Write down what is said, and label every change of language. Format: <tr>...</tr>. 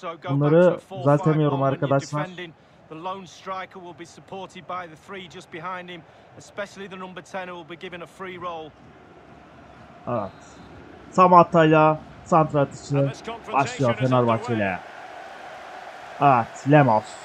<tr>Bunları düzeltemiyorum arkadaşlar.</tr> <en>The lone striker will be supported by the three just behind him, especially the number 10 who will be given a free role.</en> <tr>Evet. Samatta ile santra atışı başlıyor Fenerbahçe ile. Evet, Lemos.</tr>